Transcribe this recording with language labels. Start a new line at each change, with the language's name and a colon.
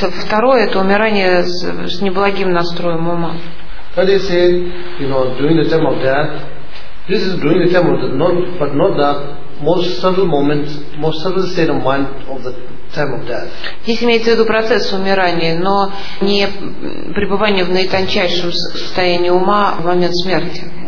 Russian: Второе, это умирание с неблагим настроем ума.
English: That is saying, you know, during the time of death, this is during the time of death, but not that most subtle moment, most subtle state of mind of the time of death.
Russian: Здесь имеется в виду процесс умирания, но не пребывание в наитончайшем состоянии ума в момент смерти.